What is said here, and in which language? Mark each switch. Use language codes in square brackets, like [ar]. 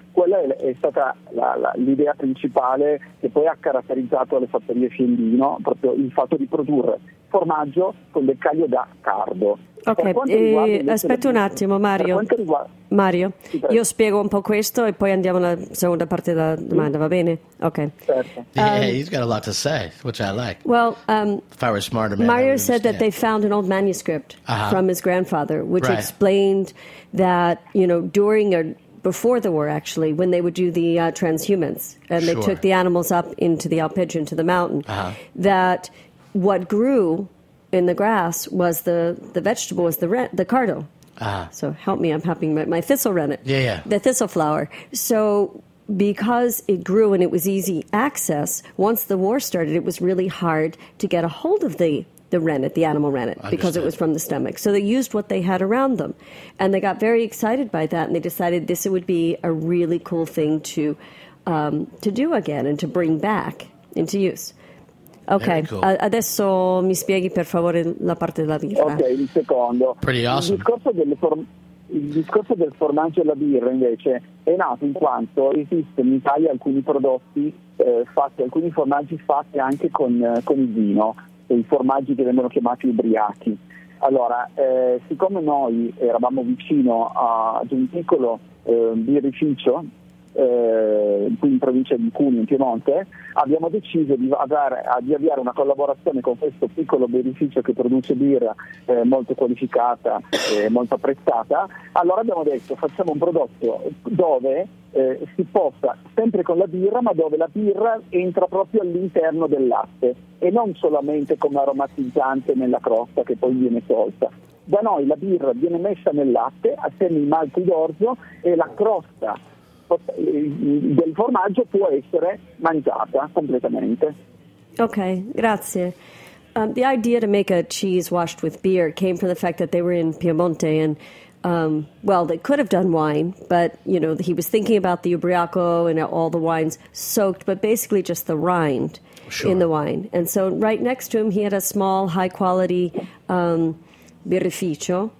[it] Quella è stata l'idea principale che poi ha caratterizzato le fattorie Fiandino, proprio il fatto di produrre formaggio con del caglio da cardo. Ok, aspetta un attimo, Mario. Mario, io spiego un po' questo e poi andiamo alla seconda parte della domanda, va bene? Ok. Certo. [en] He's got a lot to say, which I like. Well, if I were a smarter man, Mario I would said that they found an old manuscript from his grandfather, which right. explained that, you know, during or before the war, actually, when they would do the transhumance and sure. they took the animals up into the alpeggio, into the mountain, uh-huh. that what grew in the grass was the vegetable, was the cardo. Ah. So help me, I'm having my thistle rennet. Yeah, yeah. The thistle flower. So because it grew and it was easy access, once the war started, it was really hard to get a hold of the rennet, the animal rennet, understood. Because it was from the stomach. So they used what they had around them. And they got very excited by that, and they decided this would be a really cool thing to do again and to bring back into use. Ok, cool. [it] Adesso mi spieghi per favore la parte della birra. Ok, il secondo. [en] Pretty awesome. [it] Il discorso del formaggio e la birra invece è nato in quanto esistono in Italia alcuni prodotti, alcuni formaggi fatti anche con il vino, i formaggi che vengono chiamati ubriachi. Allora, siccome noi eravamo vicino ad un piccolo birrificio, qui in provincia di Cuneo, in Piemonte, abbiamo deciso di avviare una collaborazione con questo piccolo birrificio che produce birra molto qualificata e molto apprezzata. Allora abbiamo detto, facciamo un prodotto dove si possa, sempre con la birra, ma dove la birra entra proprio all'interno del latte e non solamente come aromatizzante nella crosta che poi viene tolta. Da noi la birra viene messa nel latte assieme ai malti d'orzo e la crosta del formaggio può essere mangiata completamente. Okay, grazie. [en] The idea to make a cheese washed with beer came from the fact that they were in Piemonte, and well, they could have done wine, but you know, he was thinking about the ubriaco and all the wines soaked, but basically just the rind. Sure. In the wine. And so right next to him, he had a small, high-quality birrificio.